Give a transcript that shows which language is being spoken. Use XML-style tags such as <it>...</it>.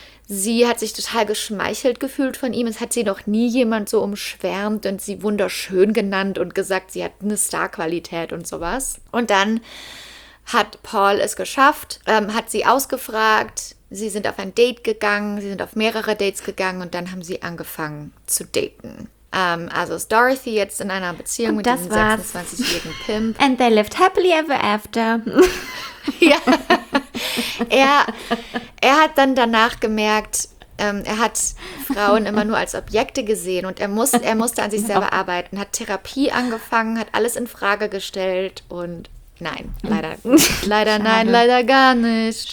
<de>Sie hat sich total geschmeichelt gefühlt von ihm. Es hat sie noch nie jemand so umschwärmt und sie wunderschön genannt und gesagt, sie hat eine Star-Qualität und sowas. Und dann hat Paul es geschafft, hat sie ausgefragt. Sie sind auf ein Date gegangen, sie sind auf mehrere Dates gegangen und dann haben sie angefangen zu daten. Also ist Dorothy jetzt in einer Beziehung und mit diesem 26-jährigen Pimp.</de> <en>And they lived happily ever after.</en> <de>Ja. Er hat dann danach gemerkt, er hat Frauen immer nur als Objekte gesehen und er musste an sich selber arbeiten, hat Therapie angefangen, hat alles in Frage gestellt und nein, leider Schade. Nein, leider gar nicht.</de>